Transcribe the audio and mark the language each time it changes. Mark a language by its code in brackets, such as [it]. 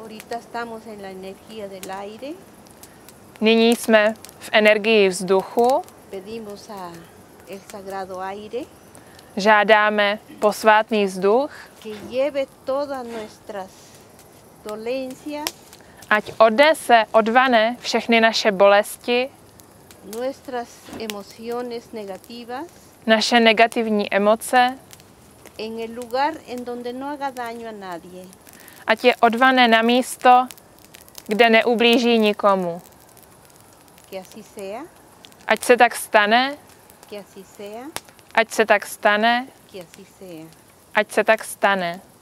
[es] Estamos en la energía del aire. [cs] Nyní jsme v energii vzduchu. [es] Pedimos a el sagrado aire. [cs] Žádáme posvátný vzduch. [es] Que lleve todas nuestras dolencias. [cs] Ať odnese, odvane všechny naše bolesti. [es] Nuestras emociones negativas. [cs] Naše negativní emoce. [es] En el lugar en donde no haga daño a nadie. [cs] Ať je odvané na místo, kde neublíží nikomu. Ať se tak stane. Ať se tak stane. Ať se tak stane.